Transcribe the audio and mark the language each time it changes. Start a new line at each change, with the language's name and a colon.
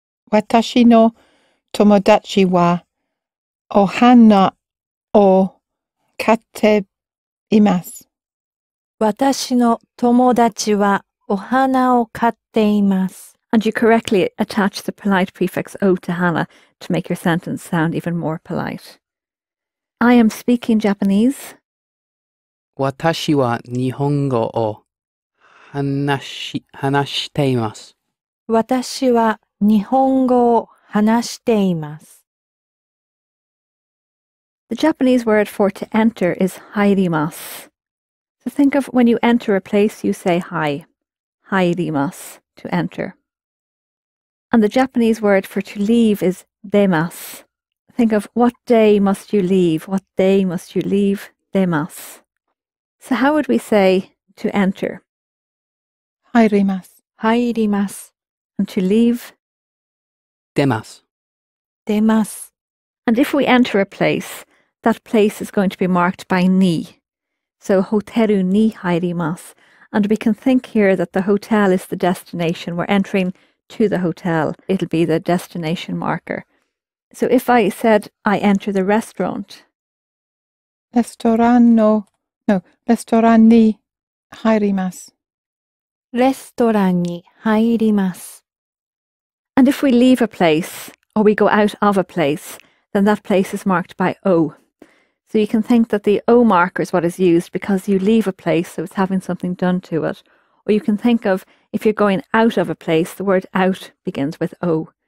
Japanese: 私の友達はお花を買っています。私の友達はお花を買っています。
English: And you correctly attach the polite prefix O to Hana to make your sentence sound even more polite. I am speaking Japanese.
Japanese: 私は日本語を話しています。私は日本語を話しています。
English: The Japanese word for to enter is 入ります。 So think of when you enter a place, you say hi. 入ります。To enter. And the Japanese word for to leave is 出ます。 Think of what day must you leave? What day must you leave? 出ます。 So how would we say to enter?
Japanese: 入ります。入ります。
English: And to leave?
Japanese: 出ます。出ます。
English: And if we enter a place, that place is going to be marked by に.
Japanese: So, ホテルに入ります。
English: And we can think here that the hotel is the destination. We're entering to the hotel. It'll be the destination marker. So, if I said, I enter the restaurant.
Japanese: レストランに入ります。レストランに入ります。
English: And if we leave a place, or we go out of a place, then that place is marked by O. So you can think that the O marker is what is used because you leave a place, so it's having something done to it. Or you can think of, if you're going out of a place, the word out begins with O.